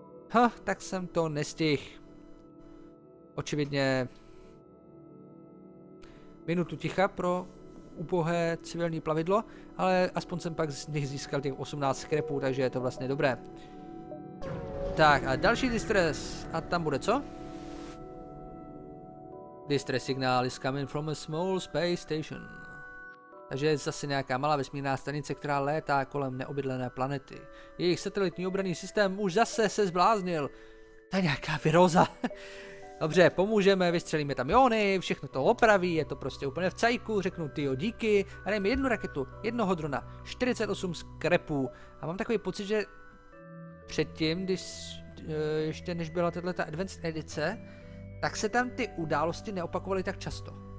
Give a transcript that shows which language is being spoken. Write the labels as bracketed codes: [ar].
[cs] Ha, tak jsem to nestihl. Očividně minutu ticha pro ubohé civilní plavidlo, ale aspoň jsem pak z nich získal těch 18 skrepů, takže je to vlastně dobré. Tak a další distress, a tam bude co? [en] Distress signál is coming from a small space station. [cs] Takže je zase nějaká malá vesmírná stanice, která létá kolem neobydlené planety. Jejich satelitní obranný systém už zase se zbláznil. To je nějaká viróza. Dobře, pomůžeme, vystřelíme tam jony, všechno to opraví, je to prostě úplně v cajku, řeknu tyjo díky a dej mi jednu raketu, jednoho drona, 48 skrepů a mám takový pocit, že předtím, když ještě než byla tato Advanced edice, tak se tam ty události neopakovaly tak často.